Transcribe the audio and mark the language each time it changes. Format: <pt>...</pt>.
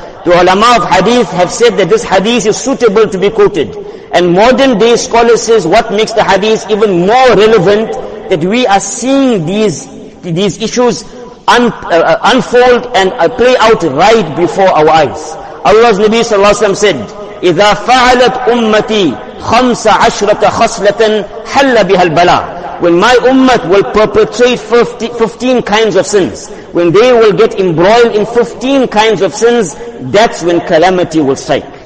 <en>The ulama of hadith have said that this hadith is suitable to be quoted. And modern day scholars says what makes the hadith even more relevant, that we are seeing these issues unfold and play out right before our eyes. Allah's Nabi sallallahu alayhi wa sallam said,</en> <ar>إِذَا فَعَلَتْ أُمَّتِي خَمْسَ عَشْرَةَ خَصْلَةً حَلَّ بِهَا الْبَلَىٰ.</ar> <en>When my ummah will perpetrate 15 kinds of sins, when they will get embroiled in 15 kinds of sins, that's when calamity will strike.</en>